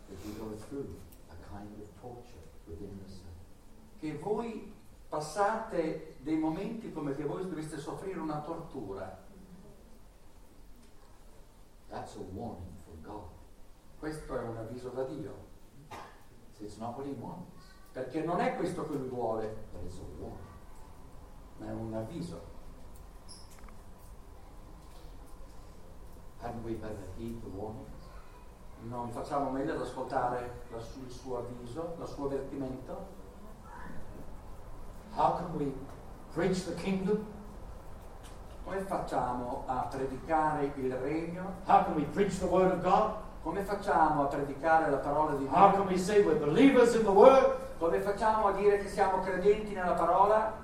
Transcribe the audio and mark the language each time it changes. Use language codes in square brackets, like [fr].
[en] that you go through a kind of torture within yourself. [it] Che voi passate dei momenti come che voi dovreste soffrire una tortura. [en] That's a warning from God. [it] Questo è un avviso da Dio. [en] It's not what he wants. [it] Perché non è questo che lui vuole. [en] But it's a warning. [it] Ma è un avviso. [en] Hadn't we better heed the warning? [it] Non facciamo meglio ad ascoltare il suo avviso, il suo avvertimento? [en] How can we preach the kingdom? [it] Come facciamo a predicare il regno? [en] How can we preach the word of God? [it] Come facciamo a predicare la parola di Dio? [en] How can we say we're believers in the word? [it] Come facciamo a dire che siamo credenti nella parola?